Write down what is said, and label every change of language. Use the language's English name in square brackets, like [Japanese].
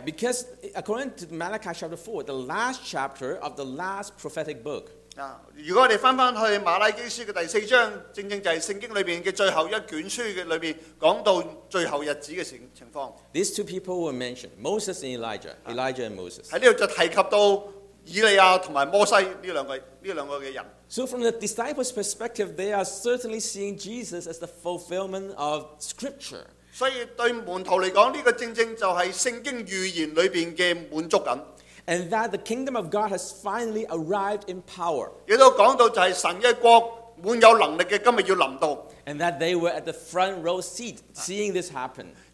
[English] Because according to Malachi chapter 4, the last chapter of the last prophetic book. [Chinese] 如果我們回到馬拉基書的第四章，正正就是聖經裡面的最後一卷書裡面講到最後日子的情況。These [English] two people were mentioned, Moses and Elijah, Elijah and Moses. [Chinese] 在這裡就提及到以利亞和摩西這兩個人。So [English] from the disciples' perspective, they are certainly seeing Jesus as the fulfillment of Scripture. [Chinese] 所以對門徒來講，這個正正就是聖經預言裡面的滿足感。 [English] And that the kingdom of God has finally arrived in power. [Chinese] 也都講到就是神的國滿有能力的今天要臨到。 [English] And that they were at the front row seat seeing this happen.